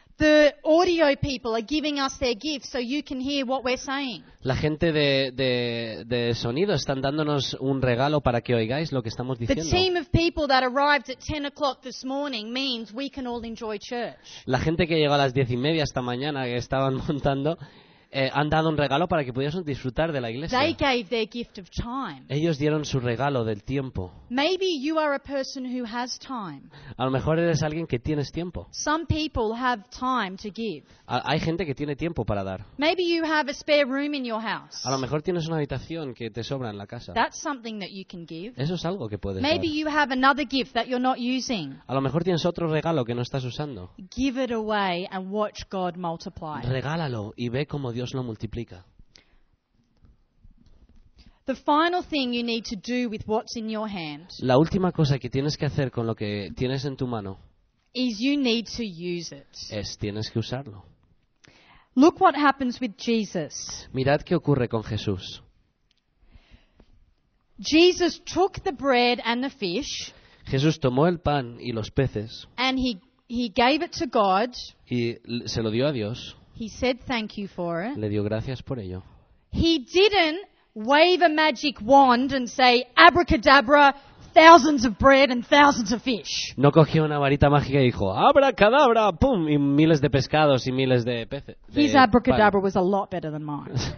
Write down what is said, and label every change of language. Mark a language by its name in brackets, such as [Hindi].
[English] The audio people are giving us their gifts so you can hear what we're saying. [Spanish] La gente de sonido están dándonos un regalo para que oigáis lo que estamos diciendo. [English] The team of people that arrived at 10 o'clock this morning means we can all enjoy church. [Spanish] La gente que llegó a las 10:30 esta mañana que estaban montando han dado un regalo para que pudiésemos disfrutar de la iglesia. [English] They gave their gift of time. [Spanish] Ellos dieron su regalo del tiempo. [English] Maybe you are a person who has time. [Spanish] A lo mejor eres alguien que tienes tiempo. [English] Some people have time to give. [Spanish] Hay gente que tiene tiempo para dar. [English] Maybe you have a spare room in your house. [Spanish] A lo mejor tienes una habitación que te sobra en la casa. [English] That's something that you can give. [Spanish] Eso es algo que puedes [English] Maybe [Spanish] dar. [English] You have another gift that you're not using. [Spanish] A lo mejor tienes otro regalo que no estás usando. [English] Give it away and watch God multiply. [Spanish] Regálalo y ve cómo Dios lo multiplica. [English] The final thing you need to do with what's in your hand. [Spanish] La última cosa que tienes que hacer con lo que tienes en tu mano. [English] Is you need to use it. [Spanish] Es tienes que usarlo. [English] Look what happens with Jesus. [Spanish] Mirad qué ocurre con Jesús. [English] Jesus took the bread and the fish. [Spanish] Jesús tomó el pan y los peces. [English] And he gave it to God. [Spanish] Y se lo dio a Dios. [English] He said thank you for it. [Spanish] Le dio gracias por ello. [English] He didn't wave a magic wand and say abracadabra, thousands of bread and thousands of fish. [Spanish] No cogió una varita mágica y dijo abracadabra, pum, y miles de pescados y miles de peces. [English] His abracadabra was a lot better than mine.